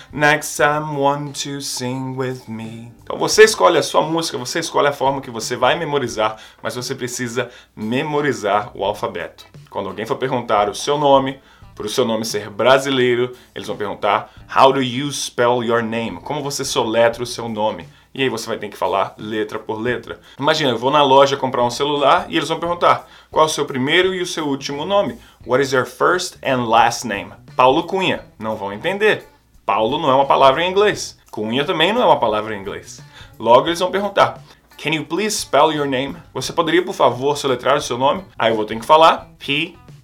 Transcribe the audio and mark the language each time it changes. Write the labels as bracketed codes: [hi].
[en] Next time, one to sing with me. [pt] Então você escolhe a sua música, você escolhe a forma que você vai memorizar, mas você precisa memorizar o alfabeto. Quando alguém for perguntar o seu nome, para o seu nome ser brasileiro, eles vão perguntar: [en] How do you spell your name? [pt] Como você soletra o seu nome? E aí você vai ter que falar letra por letra. Imagina, eu vou na loja comprar um celular e eles vão perguntar: qual é o seu primeiro e o seu último nome? [en] What is your first and last name? [pt] Paulo Cunha. Não vão entender. Paulo não é uma palavra em inglês. Cunha também não é uma palavra em inglês. Logo eles vão perguntar: [en] Can you please spell your name? [pt] Você poderia, por favor, soletrar o seu nome? Aí eu vou ter que falar P-A-U-L-O.